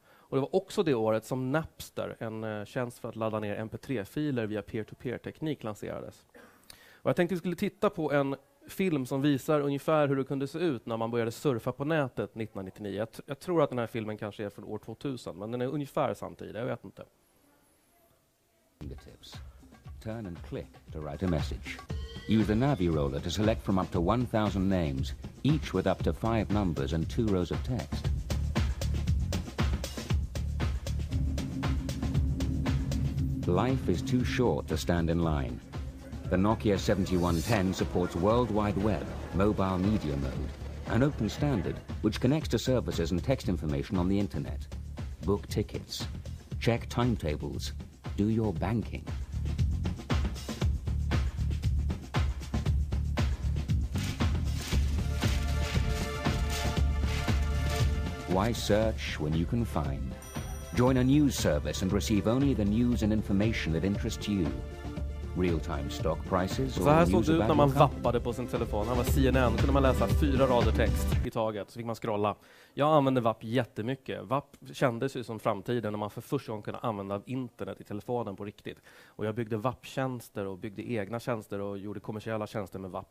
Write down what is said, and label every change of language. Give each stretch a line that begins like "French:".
Swedish: Och det var också det året som Napster, en tjänst för att ladda ner MP3-filer via peer-to-peer-teknik, lanserades. Och jag tänkte att vi skulle titta på en film som visar ungefär hur det kunde se ut när man började surfa på nätet 1999. Jag tror att den här filmen kanske är från år 2000, men den är ungefär samtidigt, jag vet inte.
English: Fingertips. Turn and click to write a message. Use the Navi roller to select from up to 1000 names, each with up to 5 numbers and 2 rows of text. Life is too short to stand in line. The Nokia 7110 supports World Wide Web, mobile media mode, an open standard which connects to services and text information on the internet. Book tickets, check timetables, do your banking. Why search when you can find? Join a news service and receive only the news and information that interests you. Real-time stock prices.
Swedish: Så här såg det ut när man vappade på sin telefon. Det var CNN. Då kunde man läsa 4 rader text i taget. Så fick man scrolla. Jag använde WAP jättemycket. WAP kändes ju som framtiden när man för första gången kunde använda internet i telefonen på riktigt. Och jag byggde WAP-tjänster och byggde egna tjänster och gjorde kommersiella tjänster med WAP.